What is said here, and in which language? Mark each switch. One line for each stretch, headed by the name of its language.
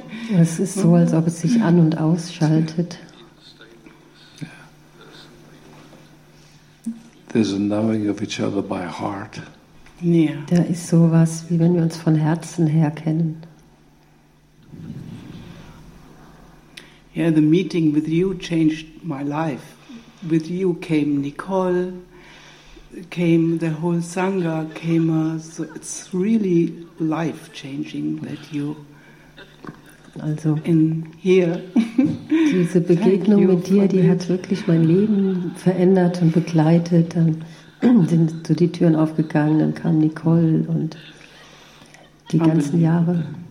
German: Es ist so, als ob es sich an- und ausschaltet.
English: There's a knowing of each other by heart. Yeah.
German: Da ist sowas, wie wenn wir uns von Herzen her kennen.
English: Yeah, the meeting with you changed my life. With you came Nicole. Came the whole sangha came so it's really life changing that you
German: also
English: in here
German: diese Begegnung mit dir, die hat wirklich mein Leben verändert und begleitet. Dann sind so die Türen aufgegangen, dann kam Nicole und die ganzen Jahre.